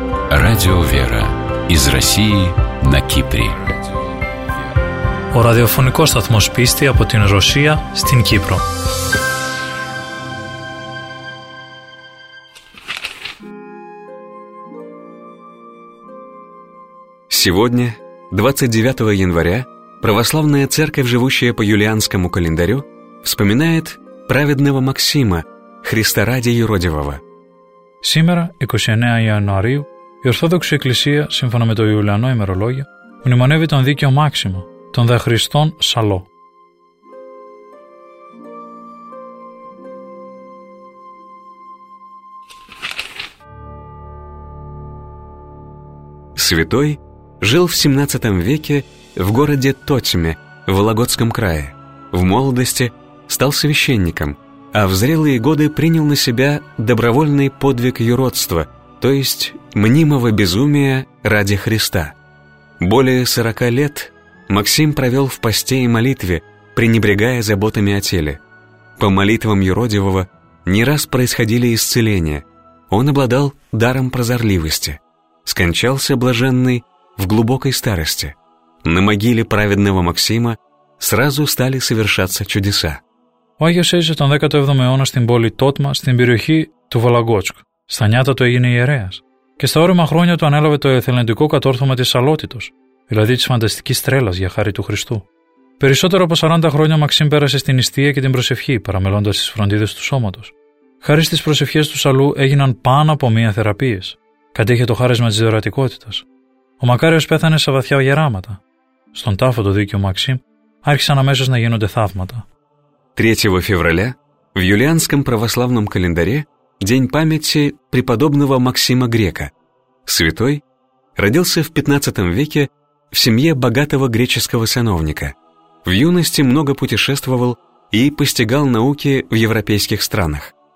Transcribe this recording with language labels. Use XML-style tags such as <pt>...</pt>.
<ru>Радио «Вера» из России на Кипре.</ru> <el>Ο ραδιοφωνικός σταθμός πίστη από την Ρωσία στην Κύπρο.</el> <ru>Сегодня, 29 января, православная церковь, живущая по юлианскому календарю, вспоминает праведного Максима, Христа ради юродивого. Сегодня, 29 января,</ru> <el>η Ορθόδοξη Εκκλησία, σύμφωνα με το Ιουλιανό ημερολόγιο, μνημονεύει τον δίκαιο Μάξιμο, τον δε Χριστόν Σαλό.</el> <ru>Святой жил в 17 веке в городе Тотьме в Вологодском крае. В молодости стал священником, а в зрелые годы принял на себя добровольный подвиг юродства, то есть мнимого безумия ради Христа. Более 40 лет Максим провел в посте и молитве, пренебрегая заботами о теле. По молитвам юродивого не раз происходили исцеления. Он обладал даром прозорливости. Скончался блаженный в глубокой старости. На могиле праведного Максима сразу стали совершаться чудеса.</ru> <el>Ο Άγιος έζησε τον 17ο αιώνα στην πόλη Τότμα, στην περιοχή του Βολογότσκ. Στα νιάτα του έγινε ιερέας. Και στα όριμα χρόνια του ανέλαβε το εθελοντικό κατόρθωμα της αλότητος, δηλαδή της φανταστικής τρέλας για χάρη του Χριστού. Περισσότερο από 40 χρόνια ο Μαξίμ πέρασε στην νηστεία και την προσευχή, παραμελώντας τις φροντίδες του σώματος. Χάρη στις προσευχές του Σαλού έγιναν πάνω από μία θεραπείες. Κατέχε το χάρισμα της δωρεατικότητας. Ο Μακάριος πέθανε σε βαθιά γεράματα. Στον τάφο του δίκαιου Μαξίμ άρχισαν αμέσως να γίνονται θαύματα.</el> <ru>3 февраля в юлианском православном календаре день памяти преподобного Максима Грека. Святой родился в 15 веке в семье богатого греческого сановника. В юности много путешествовал и постигал науки в европейских странах.</ru>